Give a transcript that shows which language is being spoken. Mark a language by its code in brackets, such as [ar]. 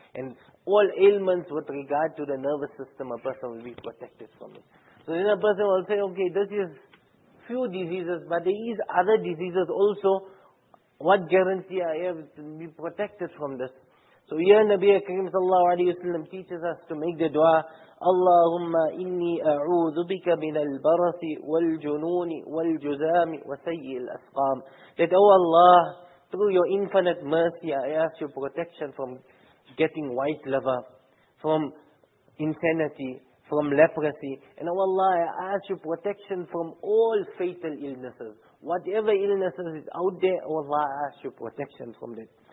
[en] And all ailments with regard to the nervous system, a person will be protected from it. So then a person will say, okay, this is few diseases, but there is other diseases also. What guarantee I have to be protected from this? So here Nabi Kareem sallallahu alayhi wa sallam teaches us to make the dua, [ar] اللهم إني أعوذ بك من البرص والجنون والجزام وسيء الأسقام. [en] That oh Allah, through your infinite mercy, I ask your protection from getting white liver, from insanity, from leprosy. And oh Allah, I ask your protection from all fatal illnesses. Whatever illnesses is out there, oh Allah, I ask your protection from it.